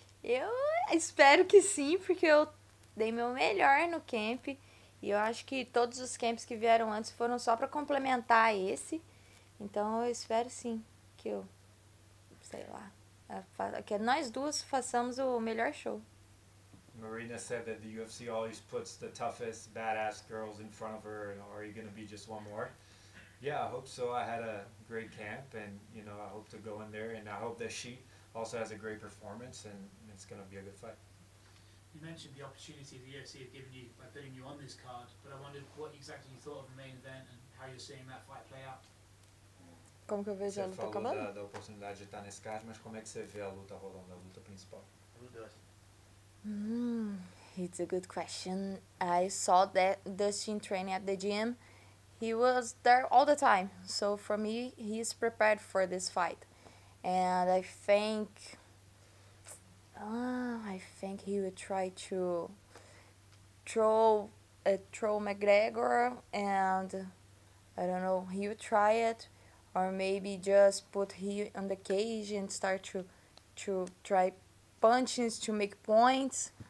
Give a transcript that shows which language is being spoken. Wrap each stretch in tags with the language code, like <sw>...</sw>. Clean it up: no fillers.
<pt>Eu espero que sim, porque eu dei meu melhor no camp, e eu acho que todos os camps que vieram antes foram só para complementar esse, então eu espero sim, que eu, sei lá, que nós duas façamos o melhor show.</pt> <en>Marina said that the UFC always puts the toughest, badass girls in front of her. Are you going to be just one more? Yeah, I hope so. I had a great camp, and you know, I hope to go in there, and I hope that she also has a great performance, and it's going to be a good fight. You mentioned the opportunity the UFC had given you by putting you on this card, but I wondered what exactly you thought of the main event and how you're seeing that fight play out.</en> <pt>Como que eu vejo a luta acabando? Você falou da oportunidade de estar nesse card, mas como é que você vê a luta rolando, a luta principal?</pt> <en>It's a good question. I saw that Dustin training at the gym. He was there all the time. So for me, he's prepared for this fight. And I think he would try to throw McGregor, and I don't know, he would try it, or maybe just put him on the cage and start to try punches to make points.</en>